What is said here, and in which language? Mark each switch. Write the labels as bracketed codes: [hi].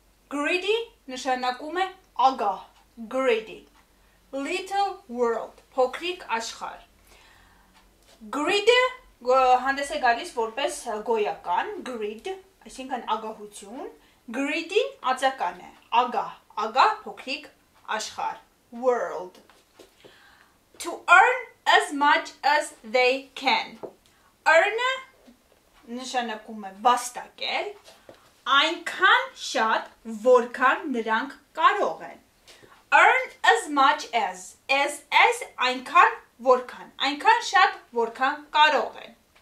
[hy] Greedy նշանակում է ագահ. Greedy. [en] Little world. [hy] Փոքրիկ աշխարհ. Greedy հանդես է գալիս որպես գոյական. Greed, այսինքն ագահություն. Greedy ածական է. Ագահ. Ագահ փոքրիկ աշխարհ. World. [en] To earn as much as they can. [hy] Earn նշանակում է վաստակել, այնքան շատ, որքան նրանք կարող են. [en] Earn as much as, [hy] այնքան, որքան, այնքան շատ, որքան կարող են.